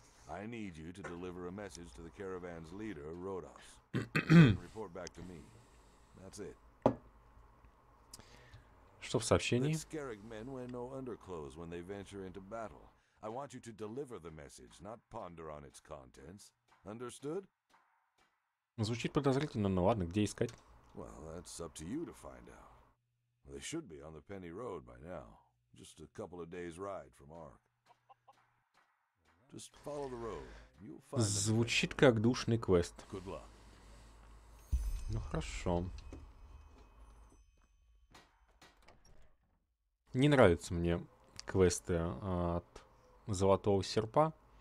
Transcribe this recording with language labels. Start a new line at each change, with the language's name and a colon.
English: I need you to deliver a message to the caravan's leader, Rodos. Report back to me. That's it.
Russian: Что в сообщении?
English: The Skerrig men wear no underclothes when they venture into battle. I want you to deliver the message, not ponder on its contents. Understood?
Russian: Звучит подозрительно, но ладно, где искать?
English: Well, that's up to you to find out. They should be on the Penny Road by now. Just a couple of days' ride from Ark. Just follow the road. You'll find the
Russian: Звучит как душный квест.
English: Good luck.
Russian: Ну хорошо. Не нравятся мне квесты от Золотого Серпа.